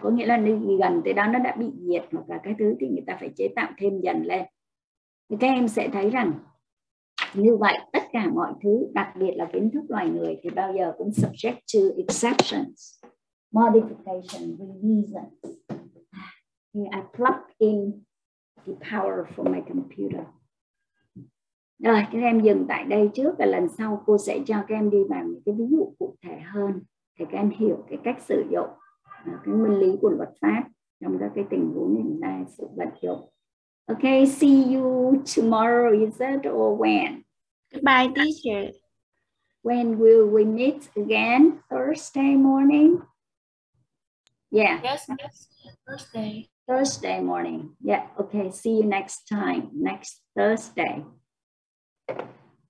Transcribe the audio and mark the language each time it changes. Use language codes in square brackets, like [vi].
[vi] Có nghĩa là nó gần tới đó nó đã bị diệt, hoặc là cái thứ thì người ta phải chế tạo thêm dần lên. Thì các em sẽ thấy rằng như vậy tất cả mọi thứ, đặc biệt là kiến thức loài người, thì bao giờ cũng [en] subject to exceptions, modification, revision. Here I plug in the power for my computer. [vi] Rồi, các em dừng tại đây trước, và lần sau cô sẽ cho các em đi vào những cái ví dụ cụ thể hơn để các em hiểu cái cách sử dụng cái nguyên lý của luật pháp trong các cái tình huống hiện nay sự vận dụng. [en] Okay, see you tomorrow, is it, or when? Goodbye, teacher. When will we meet again? Thursday morning? Yeah. Yes, Thursday. Thursday morning. Yeah, okay, see you next time, next Thursday.